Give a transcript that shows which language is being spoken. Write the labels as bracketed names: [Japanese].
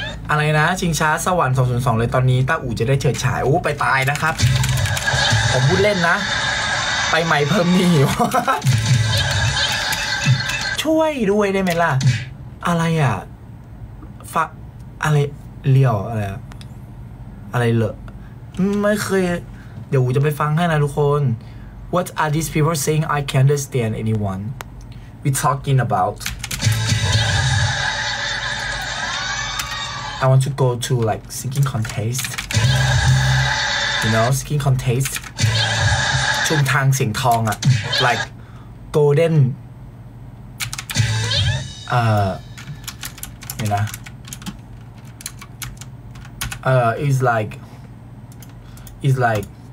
[Thai] อะไรนะชิงช้าสวรรค์202เลยตอนนี้ต้าอู่จะได้เฉิดฉายโอ้ไปตายนะครับผมพูดเล่นนะไปใหม่เพิ่มนี่ช่วยด้วยได้ไหมล่ะอะไรอ่ะฟักอะไรเลี่ยวอะไรอะไรเหรอไม่เคยเดี๋ยวอู่จะไปฟังให้นะทุกคน [English] What are these people saying? I can't understand anyone. We talking about. I want to go to like singing contest. You know, singing contest. [Thai] ชุมทางเสียงทองอะ [English] like golden. You know. It's like.